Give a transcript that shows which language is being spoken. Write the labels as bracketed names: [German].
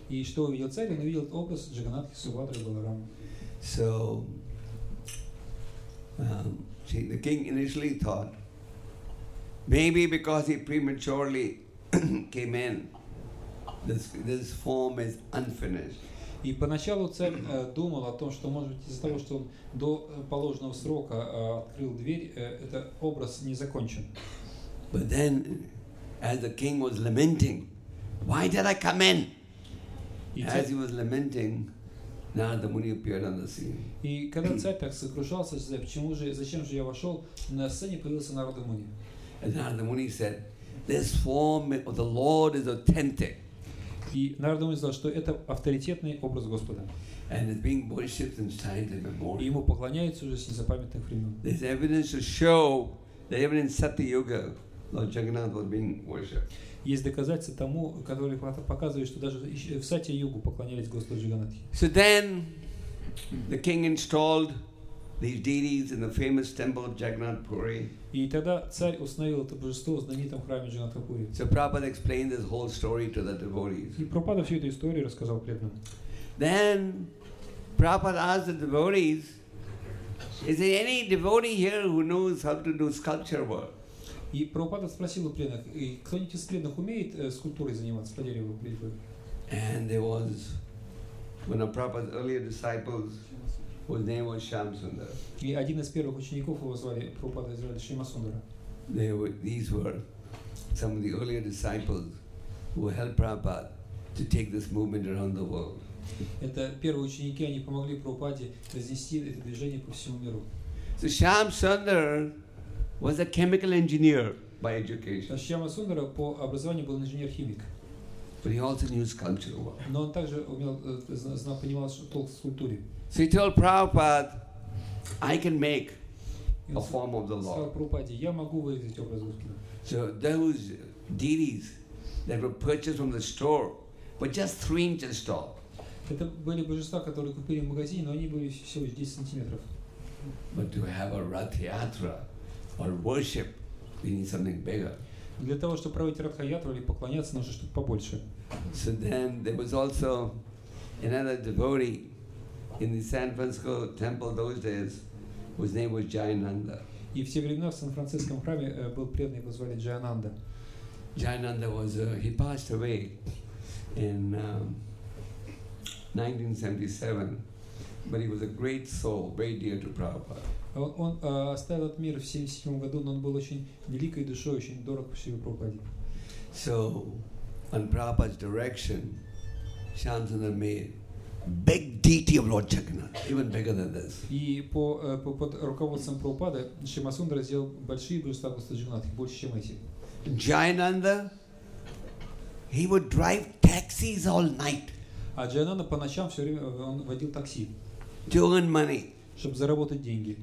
[Russian] И что увидел царь? Он увидел образ Джаганатхи Субхадры Баларамы. [English] So, see, the king initially thought maybe because he prematurely came in, this form is unfinished. [Russian] И поначалу царь думал о том, что, может быть, из-за того, что он до положенного срока открыл дверь, этот образ не закончен. [English] But then, as the king was lamenting, why did I come in? As he was lamenting, Narada Muni appeared on the scene. [Russian] И когда царь так сокрушался, почему же, зачем же я вошел, на сцене появился Нарада Муни. [English] And Narada Muni said, this form of the Lord is authentic. [Russian] И Нарада Муни сказал, что это авторитетный образ Господа. [English] And it's being worshipped since time immemorial. [Russian] И ему поклоняются уже с незапамятных времен. [English] There's evidence to show that even in Satyuga, Lord Jagannath was being worshipped. [Russian] Есть доказательства тому, которые показывают, что даже в Сатья-югу поклонялись Господу Джаганнатхе. [English] So then, the king installed these deities in the famous temple of Jagannath Puri. [Russian] И тогда царь установил это божество в знаменитом храме Джаганнатха Пури. [English] So Prabhupada explained this whole story to the devotees. [Russian] И Прабхупада всю эту историю рассказал преданным. [English] Then, Prabhupada asked the devotees, is there any devotee here who knows how to do sculpture work? [Russian] И Прабхупада спросил у преданных, кто-нибудь из преданных умеет скульптурой заниматься по дереву? [English] And there was one of Prabhupada's earlier disciples, whose name was Shyamasundara. [Russian] И один из первых учеников его звали, Прабхупада звали Шьямасундара. [English] These were some of the earlier disciples who helped Prabhupada to take this movement around the world. [Russian] Это первые ученики, они помогли Прабхупаде разнести это движение по всему миру. [English] So Shyamasundara was a chemical engineer by education. [Russian] Шьямасундара по образованию был инженер-химик. [English] But he also knew sculpture well. [Russian] Но он также умел, знал, понимал, что толк в скульптуре. [English] So he told Prabhupada, I can make a form of the Lord. [Russian] Сказал Прабхупаде, я могу вырезать образ Господа. [English] So those deities that were purchased from the store were just 3 inches tall. [Russian] Это были божества, которые купили в магазине, но они были всего 10 сантиметров. [English] But to have a Ratha-yatra or worship, we need something bigger. [Russian] Для того, чтобы проводить Ратха-Ятру или поклоняться, нужно что-то побольше. [English] So then there was also another devotee in the San Francisco temple those days, whose name was Jayananda. [Russian] И в те времена в Сан-Францисском храме был преданный, его звали Джаянанда. [English] Jayananda was he passed away in 1977, but he was a great soul, very dear to Prabhupada. [Russian] Он оставил этот мир в 77 году, но он был очень великой душой, очень дорог по себе Прабхупаде. [English] So, on Prabhupada's direction, Shyamasundara made big deity of Lord Jagannath, even bigger than this. [Russian] И под руководством Прабхупады Шьямасундара сделал большие божества Господа Джагнатхи, больше, чем эти. [English] Jayananda, he would drive taxis all night. [Russian] А Jayananda по ночам все время он водил такси. [English] To earn money. [Russian] Чтобы заработать деньги.